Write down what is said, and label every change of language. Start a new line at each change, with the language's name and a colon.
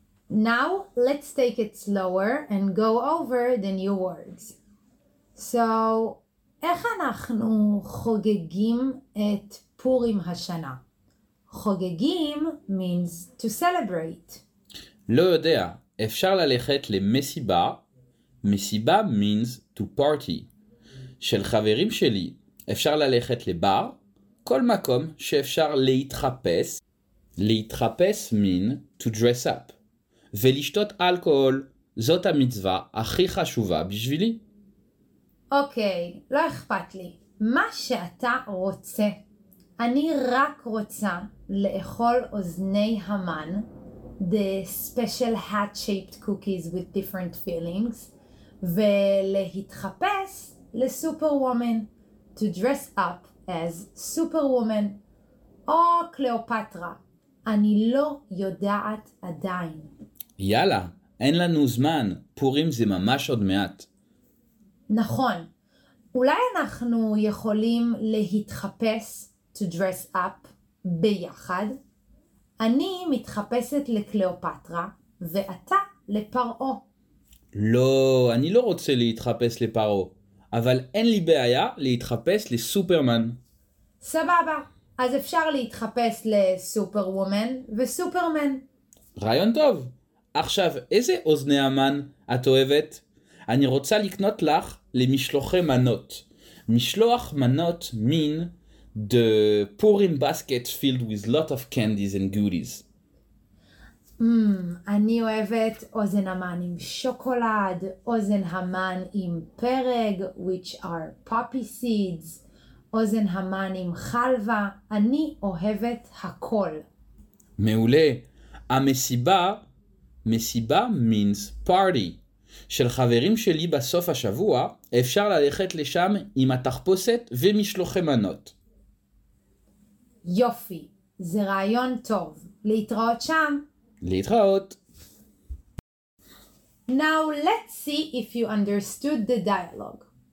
English: Now let's take it slower and go over the new words. So,
Hebrew: איך אנחנו חוגגים את פורים השנה?
English: חוגגים means to celebrate.
Hebrew: לא יודע, אפשר ללכת למסיבה.
English: מסיבה means to party.
Hebrew: של חברים שלי, אפשר ללכת לבר, כל מקום שאפשר להתחפש.
English: להתחפש mean to dress up.
Hebrew: ולשתות אלכוהול, זאת המצווה הכי חשובה בשבילי. אוקיי, לא אכפת לי. מה שאתה רוצה. אני רק רוצה לאכול אוזני המן.
English: The special hat-shaped cookies with different fillings.
Hebrew: ולהתחפש לסופרוומן.
English: To dress up as superwoman.
Hebrew: או קליאופטרה. אני לא יודעת עדיין. יאללה, אין לנו זמן. פורים זה ממש עוד מעט. נכון. אולי אנחנו יכולים להתחפש,
English: to dress up,
Hebrew: ביחד. אני מתחפשת לקליאופטרה, ואתה לפרעו. לא, אני לא רוצה להתחפש לפרעו, אבל אין לי בעיה להתחפש לסופרמן. סבבה, אז אפשר להתחפש לסופרוומן וסופרמן. רעיון טוב. עכשיו, איזה אוזני המן את אוהבת? אני רוצה לקנות לך למשלוחי מנות. משלוח מנות מין...
English: The Purim basket filled with lot of candies and goodies.
Hebrew: אני אוהבת אוזן המן עם שוקולד, אוזן המן עם פרג,
English: which are poppy seeds,
Hebrew: אוזן המן עם חלווה. אני אוהבת הכל. מעולה.
English: המסיבה means party.
Hebrew: של חברים שלי בסוף השבוע, אפשר ללכת לשם עם התחפושת ומשלוחי מנות. יופי, זה רעיון טוב. להתראות שם? להתראות.
English: Now let's see if you understood the dialogue.